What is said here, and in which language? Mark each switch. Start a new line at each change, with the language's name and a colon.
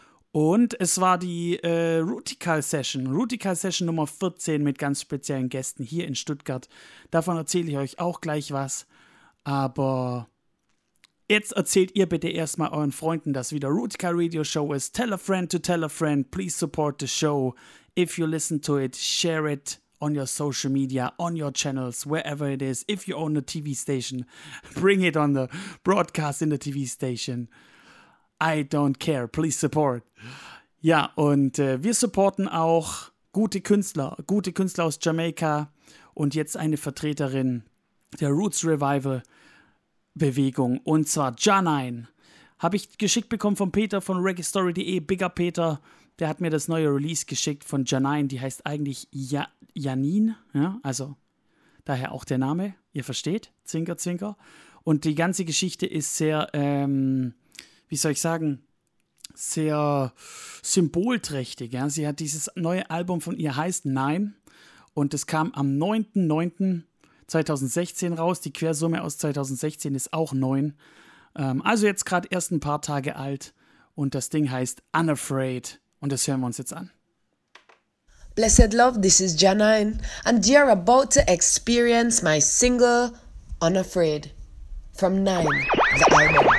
German: Und es war die Rootikal Session Nummer 14 mit ganz speziellen Gästen hier in Stuttgart. Davon erzähle ich euch auch gleich was. Aber jetzt erzählt ihr bitte erstmal euren Freunden, dass wieder Rootikal Radio Show ist.
English: Tell a friend to tell a friend. Please support the show. If you listen to it, share it on your social media, on your channels, wherever it is. If you own a TV station, bring it on the broadcast in the TV station. I don't care, please support.
German: Ja, und wir supporten auch gute Künstler aus Jamaika und jetzt eine Vertreterin der Roots Revival Bewegung, und zwar Janine. Habe ich geschickt bekommen von Peter von Reggae-Story.de, Bigger Peter, der hat mir das neue Release geschickt von Janine, die heißt eigentlich Janine, ja, also daher auch der Name, ihr versteht, zwinker, zwinker. Und die ganze Geschichte ist sehr, wie soll ich sagen, sehr symbolträchtig. Ja. Sie hat dieses neue Album von ihr, heißt Nein. Und es kam am 9.9.2016 raus. Die Quersumme aus 2016 ist auch 9. Also jetzt gerade erst ein paar Tage alt. Und das Ding heißt Unafraid. Und das hören wir uns jetzt an.
English: Blessed Love, this is Janine. And you're about to experience my single Unafraid from Nein, the album.